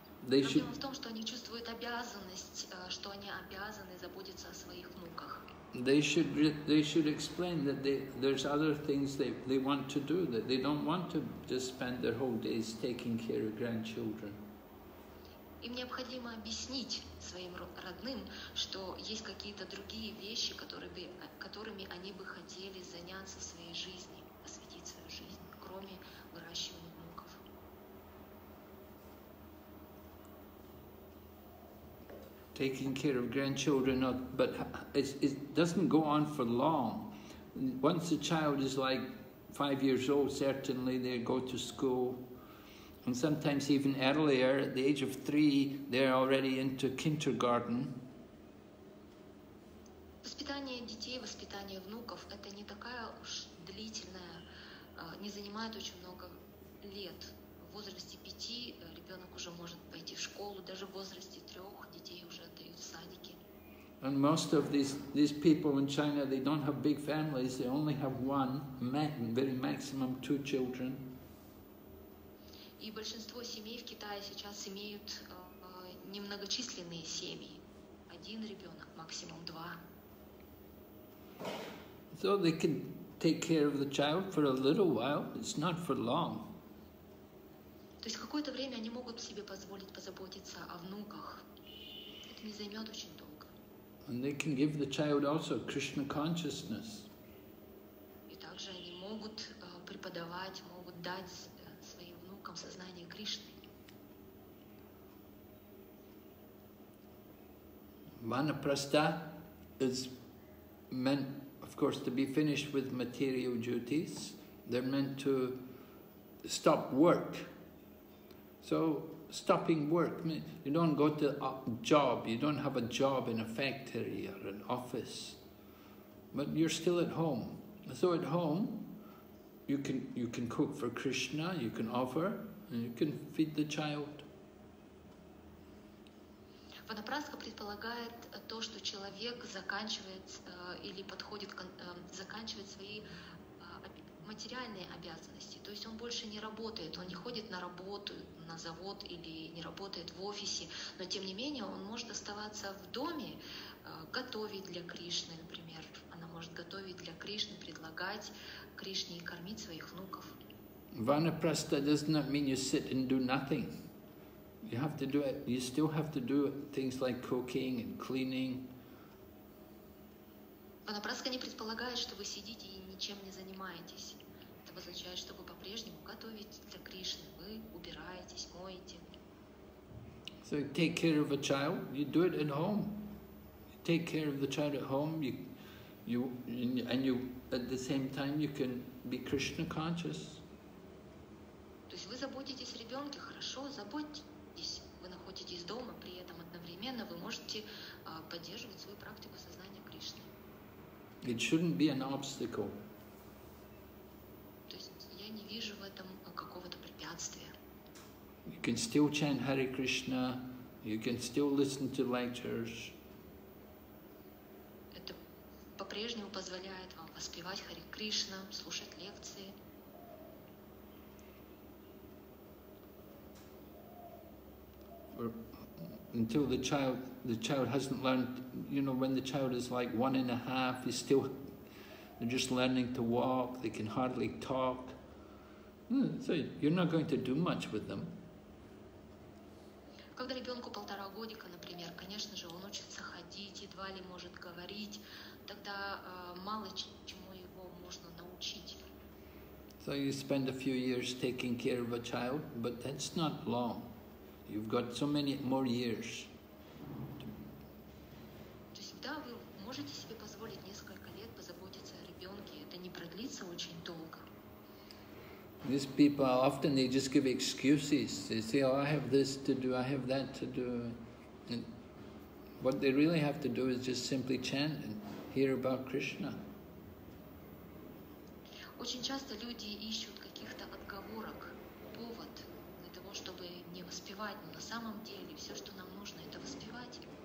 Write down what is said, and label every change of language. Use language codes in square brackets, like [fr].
[ru] Проблема в том, что они чувствуют обязанность, что они обязаны заботиться о своих внуках. [en] They should explain that there's other things they want to do, that they don't want to just spend their whole days taking care of grandchildren. [ru] Им необходимо объяснить своим родным, что есть какие-то другие вещи, которыми они бы хотели заняться в своей жизни, посвятить свою жизнь, кроме выращивания. [en] Taking care of grandchildren, but it doesn't go on for long. Once a child is like 5 years old, certainly they go to school. And sometimes even earlier, at the age of 3, they're already into kindergarten. [ru] Воспитание детей, воспитание внуков, это не такая уж длительная, не занимает очень много лет. В возрасте 5 ребенок уже может пойти в школу, даже в возрасте 3 детей уже отдают в садики. [en] And most of these people in China, they don't have big families, they only have one, very maximum 2 children. [ru] И большинство семей в Китае сейчас имеют немногочисленные семьи. Один ребенок, максимум 2. [en] So they can take care of the child for a little while, it's not for long. [ru] То есть какое-то время они могут себе позволить позаботиться о внуках. Это не займет очень долго. [en] And they can give the child also Krishna consciousness. [ru] И также они могут преподавать, могут дать своим внукам сознание Кришны. [en] Vanaprastha is meant, of course, to be finished with material duties. They're meant to stop work. So stopping work, you don't go to a job, you don't have a job in a factory or an office, but you're still at home. So at home, you can cook for Krishna, you can offer, and you can feed the child. [ru] Vanaprastha предполагает то, что человек заканчивает или подходит заканчивает свои материальные обязанности, то есть он больше не работает, он не ходит на работу, на завод или не работает в офисе, но тем не менее он может оставаться в доме, готовить для Кришны, например. Она может готовить для Кришны, предлагать Кришне и кормить своих внуков. [en] Vanaprastha does not mean you sit and do nothing. You have to do it. You still have to do things like cooking and cleaning. [ru] Vanaprastha не предполагает, что вы сидите и ничем не занимаетесь. Это означает, что вы по-прежнему готовите для Кришны, вы убираетесь, моете. [en] So you take care of a child, you do it at home. You take care of the child at home, you at the same time you can be Krishna conscious. [ru] То есть вы заботитесь о ребенке, хорошо, заботитесь. Вы находитесь дома, при этом одновременно вы можете поддерживать свою практику сознания Кришны. [en] It shouldn't be an obstacle. [ru] То есть я не вижу в этом какого-то препятствия. [en] You can still chant Hare Krishna, you can still listen to lectures. [ru] Это по-прежнему позволяет вам воспевать Hare Krishna, слушать лекции. [en] Until the child hasn't learned, you know, when the child is like 1.5, he's still, they're just learning to walk, they can hardly talk. So you're not going to do much with them. [ru] Когда ребенку 1.5 годика, например, конечно же, он учится ходить, едва ли может говорить, тогда мало чему его можно научить. [en] So you spend a few years taking care of a child, but that's not long. You've got so many more years. [ru] То есть, да, вы можете себе позволить несколько лет позаботиться о ребенке. Это не продлится. молиться очень долго. [en] These people often they just give excuses. They say, "Oh, I have this to do. I have that to do." And what they really have to do is just simply chant and hear about Krishna. [ru] Очень часто люди ищут каких-то отговорок, повод для того, чтобы не воспевать. Но на самом деле все, что нам нужно, это воспевать.